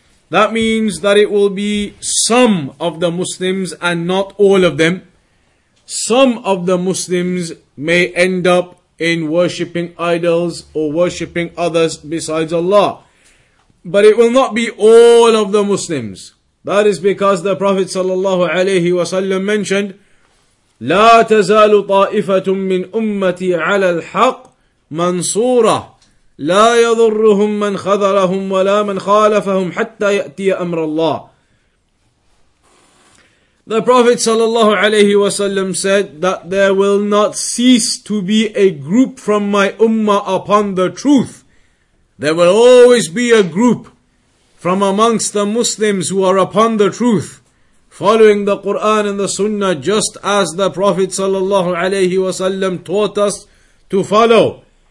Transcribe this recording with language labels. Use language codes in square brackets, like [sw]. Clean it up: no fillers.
[en] That means that it will be some of the Muslims and not all of them. Some of the Muslims may end up in worshipping idols or worshipping others besides Allah. But it will not be all of the Muslims. That is because the Prophet sallallahu alayhi wa sallam mentioned, [ar] لا تزال طائفة من أمتي على الحق منصورة لا يضرهم من خذلهم ولا من خالفهم حتى يأتي أمر الله. [en] The Prophet sallallahu alayhi wa sallam said that there will not cease to be a group from my ummah upon the truth. There will always be a group from amongst the Muslims who are upon the truth, following the Quran and the Sunnah, just as the Prophet sallallahu alayhi wa sallam taught us to follow.